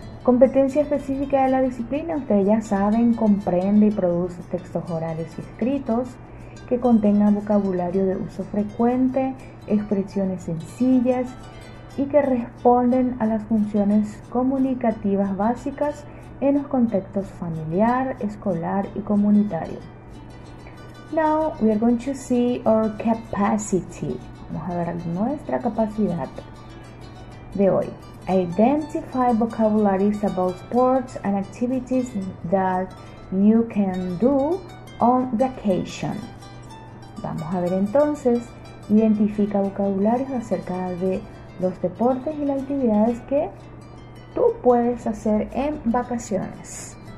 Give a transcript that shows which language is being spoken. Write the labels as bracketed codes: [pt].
[es] Competencia específica de la disciplina. Ustedes ya saben, comprende y produce textos orales y escritos que contengan vocabulario de uso frecuente, expresiones sencillas y que responden a las funciones comunicativas básicas en los contextos familiar, escolar y comunitario. [en] Now we are going to see our capacity. [es] Vamos a ver nuestra capacidad de hoy. [en] Identify vocabularies about sports and activities that you can do on vacation. [es] Vamos a ver entonces, identifica vocabularios acerca de los deportes y las actividades que tú puedes hacer en vacaciones.